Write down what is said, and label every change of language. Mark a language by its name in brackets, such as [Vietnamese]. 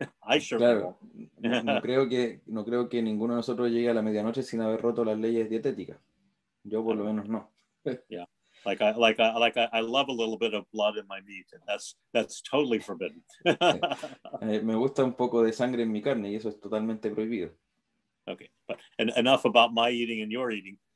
[English] I sure [Spanish] claro. [English] Won't. [Spanish] No creo que ninguno de nosotros llegue a la medianoche sin haber roto las leyes dietéticas. Yo por lo menos no. [English] Yeah, like I love a little bit of blood in my meat, and that's totally forbidden. [Spanish] Me gusta un poco de sangre en mi carne, y eso es totalmente prohibido. [English] Okay, but enough about my eating and your eating.